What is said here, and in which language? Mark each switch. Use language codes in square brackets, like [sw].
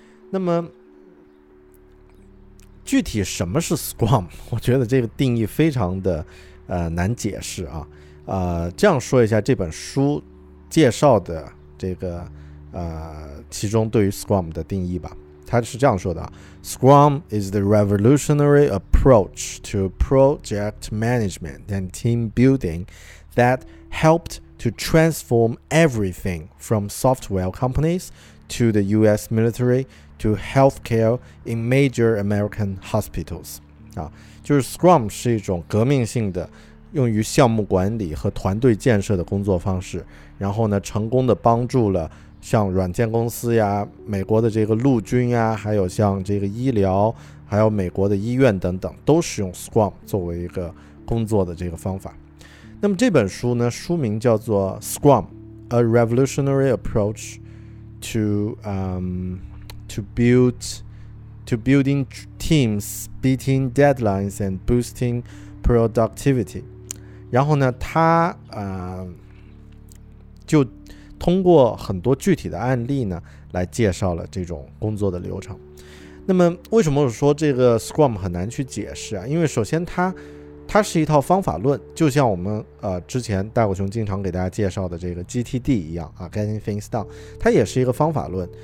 [zh] 那么具体什么是 Scrum， 我觉得这个定义非常的难解释啊。这样说一下这本书介绍的这个其中对于 Scrum 的定义吧。他是这样说的， [en] Scrum is the revolutionary approach to project management and team building that helped to transform everything from software companies to the US military to healthcare in major American hospitals. [zh] 就是 Scrum 是一种革命性的用于项目管理和团队建设的工作方式，然后呢，成功的帮助了像软件公司呀，美国的这个陆军呀，还有像这个医疗，还有美国的医院等等，都使用 Scrum 作为一个工作的这个方法。那么这本书呢，书名叫做 [en] Scrum, A Revolutionary Approach to building teams, beating deadlines and boosting productivity. [zh] 然后呢，它就通过很多具体的案例呢来介绍了这种工作的流程。那么为什么我说这个 Scrum 很难去解释啊？因为首先它是一套方法论，就像我们之前大狗熊经常给大家介绍的这个 GTD 一样啊 ，Getting Things Done， 它也是一个方法论。